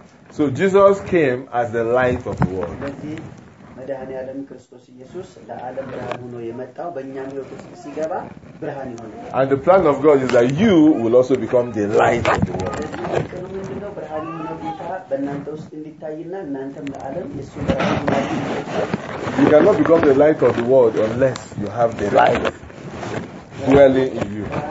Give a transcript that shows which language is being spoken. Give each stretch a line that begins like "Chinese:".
English: So Jesus came as the light of the world.
Amharic: መዳህኔ ዓለም ክርስቶስ ኢየሱስ ለዓለም ብርሃን ሆኖ የመጣው በእኛም ህይወት ሲገባ ብርሃን ይሆናል
English: And the plan of God is that you will also become the light of the world.
Amharic: ከሁሉም ብርሃን ሆኖ ጌታ በእናንተ ውስጥ እንዲታይና እናንተም ለዓለም የሱ ብርሃን ሆኖ
English: You cannot become the light of the world unless you have the light dwelling in you.